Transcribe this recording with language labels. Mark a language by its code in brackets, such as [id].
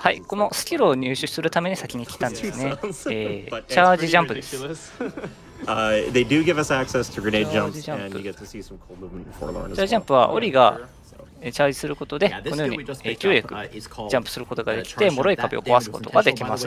[ja] はい、このスキルを入手するために先に来たんですね。チャージジャンプです。 [en] They do give us access to grenade jumps, and you get to see some cold movement in Forlorn as well. [ja] チャージジャンプは、オリが、チャージすることで、このように勢いよくジャンプすることができて、脆い壁を壊すことができます。